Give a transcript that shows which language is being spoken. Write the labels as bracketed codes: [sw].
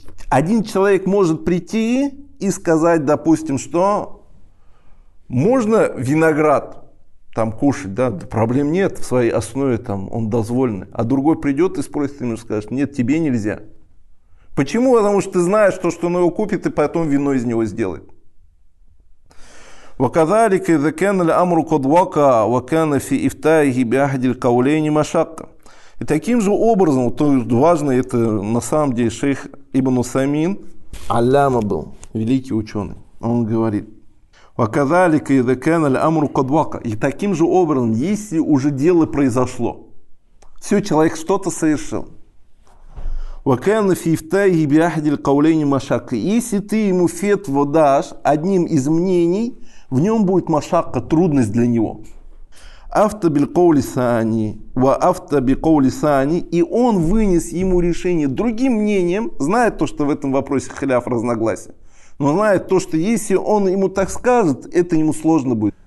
[ru] Один человек может прийти и сказать, допустим, что можно виноград там кушать, да, проблем нет, в своей основе там он дозволенный. А другой придет и спросит, ему скажет: нет, тебе нельзя. Почему? Потому что ты знаешь то, что он его купит, и потом вино из него сделает. [ar] وكذلك اذا كان الامر قد وقع وكان في افتائه باحد القولين مشقه. [ru] И таким же образом, то есть важно, это на самом деле шейх Ибн Усаймин Алляма был, великий ученый. Он говорит: [ar] وكذلك اذا كان الامر قد وقع. [ru] И таким же образом, если уже дело произошло. Все, человек что-то совершил. [ar] وكان في افتائه باحد القولين مشقه. [ru] Если ты ему фетву дашь одним из мнений, в нем будет машакка, трудность для него. Авто бильковли сани, ва авто бильковли сани, и он вынес ему решение другим мнением, знает то, что в этом вопросе хляф разногласия, но знает то, что если он ему так скажет, это ему сложно будет.